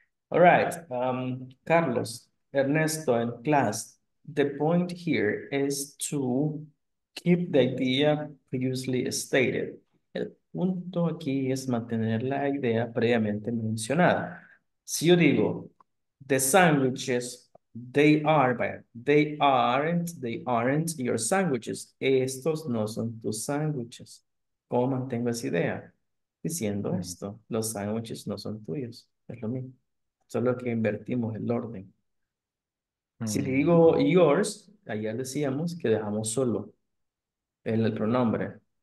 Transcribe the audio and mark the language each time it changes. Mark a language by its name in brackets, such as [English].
[English] All right, Carlos, Ernesto, and class, the point here is to keep the idea previously stated. [Spanish] El punto aquí es mantener la idea previamente mencionada. Si yo digo, [English] the sandwiches, they aren't your sandwiches. [Spanish] Estos no son tus sandwiches. ¿Cómo mantengo esa idea? Diciendo esto, los sándwiches no son tuyos, es lo mismo, solo que invertimos el orden. Si le digo yours, ayer decíamos que dejamos solo el pronombre.